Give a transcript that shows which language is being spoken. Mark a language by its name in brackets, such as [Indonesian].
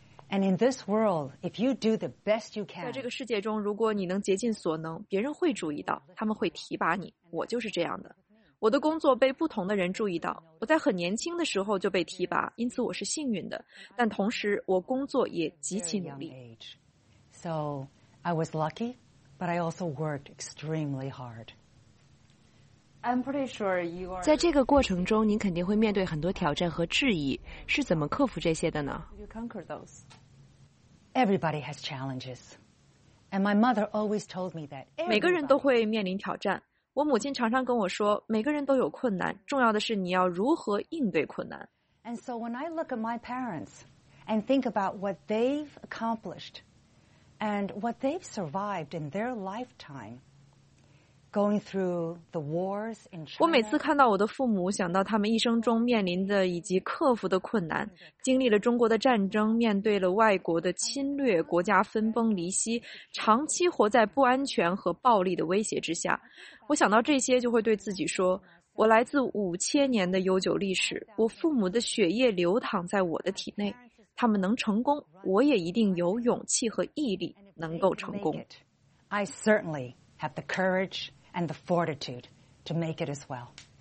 [English] And in this world, if you do the best you can, [Chinese] 在这个世界中，如果你能竭尽所能，别人会注意到，他们会提拔你。我就是这样的。我的工作被不同的人注意到，我在很年轻的时候就被提拔，因此我是幸运的，但同时我工作也极其努力。 [English] So I was lucky, but I also worked extremely hard. I'm pretty sure you are. [Chinese] 在这个过程中，您肯定会面对很多挑战和质疑，是怎么克服这些的呢 [English] ？You conquer those. Everybody has challenges, and my mother always told me that. [Chinese] 每个人都会面临挑战。我母亲常常跟我说，每个人都有困难，重要的是你要如何应对困难。 [English] And so when I look at my parents and think about what they've accomplished and what they've survived in their lifetime, going through the wars in China, [Chinese] 我每次看到我的父母，想到他们一生中面临的以及克服的困难，经历了中国的战争，面对了外国的侵略，国家分崩离析，长期活在不安全和暴力的威胁之下。我想到这些，就会对自己说：我来自5000年的悠久历史，我父母的血液流淌在我的体内，他们能成功，我也一定有勇气和毅力能够成功。 [English] I certainly have the courage and the fortitude to make it as well.